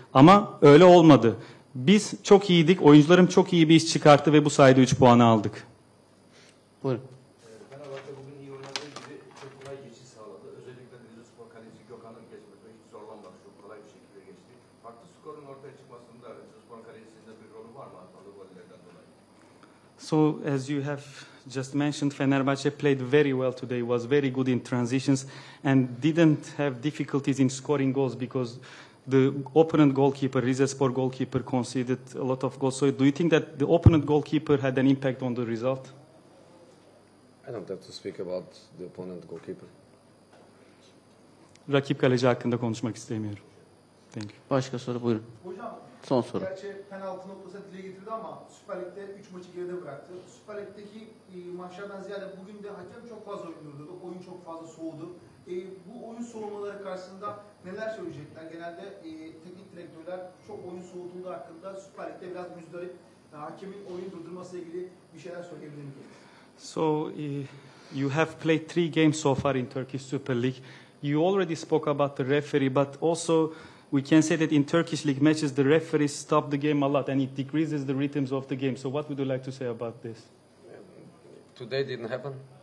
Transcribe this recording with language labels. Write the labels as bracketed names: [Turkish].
[Turkish] Ama öyle olmadı. Biz çok iyiydik. Oyuncularım çok iyi bir iş çıkarttı ve bu sayede 3 puanı aldık. Buyurun. Fenerbahçe bugün iyi oynadığı gibi çok kolay geçiş sağladı. Özellikle Rizespor kaleci Gökhan'ın geçmesi hiç zorlanmadı. Çok kolay bir şekilde geçti. Farklı skorun ortaya çıkmasında Rizespor kalecisinde bir rolü var mı atmalı gollerden dolayı? [English] So as you have just mentioned, Fenerbahçe played very well today, was very good in transitions and didn't have difficulties in scoring goals because the opponent goalkeeper, Rizespor goalkeeper, conceded a lot of goals. So do you think that the opponent goalkeeper had an impact on the result? Yeah, I don't have to speak about the opponent goalkeeper. [Turkish] Rakip kaleci hakkında konuşmak istemiyorum. [English] Thank you. [Turkish] Başka soru buyurun. Hocam, son soru. Gerçi penaltı noktasını dile getirdi ama Süper Lig'de 3 maçı geride bıraktı. Süper Lig'deki maçlardan ziyade bugün de hakem çok fazla oynuyordu. Oyun çok fazla soğudu. Bu oyun soğumaları karşısında neler söyleyecekler? Genelde teknik direktörler çok oyun soğuduğu hakkında Süper Lig'de biraz müzdarip, hakemin oyun durdurması ile ilgili bir şeyler söyleyebilir miyim? [English] So you have played 3 games so far in Turkish Super League. You already spoke about the referee, but also we can say that in Turkish League matches, the referees stop the game a lot and it decreases the rhythms of the game. So what would you like to say about this? Today didn't happen.